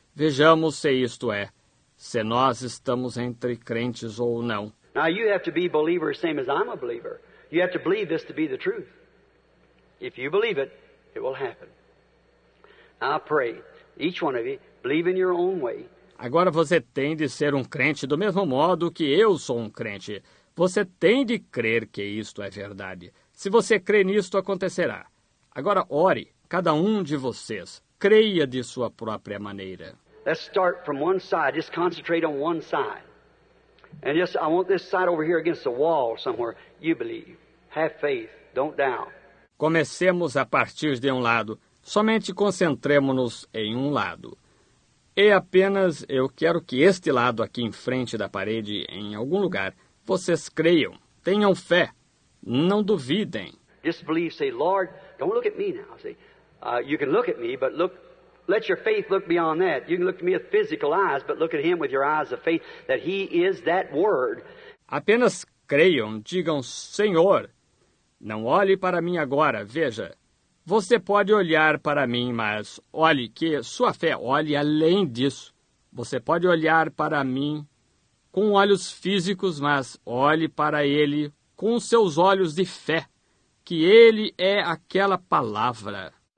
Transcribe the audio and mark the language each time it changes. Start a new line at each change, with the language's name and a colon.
Portuguese: Vejamos se isto é. Se nós estamos entre crentes ou não.
English: Now you have to be a believer the same as I'm a believer. You have to believe this to be the truth. If you believe it, it will happen. I pray, each one of you, believe in your own way.
Portuguese: Agora você tem de ser um crente do mesmo modo que eu sou um crente. Você tem de crer que isto é verdade. Se você crê nisto, acontecerá. Agora ore, cada um de vocês. Creia de sua própria maneira.
English: Let's start from one side. Just concentrate on one side. And just, I want this side over here against the wall somewhere. You believe. Have faith. Don't doubt.
Portuguese: Comecemos a partir de um lado. Somente concentremos-nos em um lado. E apenas eu quero que este lado aqui em frente da parede, em algum lugar, vocês creiam, tenham fé, não duvidem.
English: Just believe, say, Lord, don't look at me now. See, you can look at me, but look, let your faith look beyond that. You can look at me with physical eyes, but look at him with your eyes of faith, that he is that word.
Portuguese: Apenas creiam, digam, Senhor, não olhe para mim agora, veja. Você pode olhar para mim, mas olhe que sua fé olhe além disso. Você pode olhar para mim com olhos físicos, mas olhe para ele com seus olhos de fé, que ele é aquela palavra.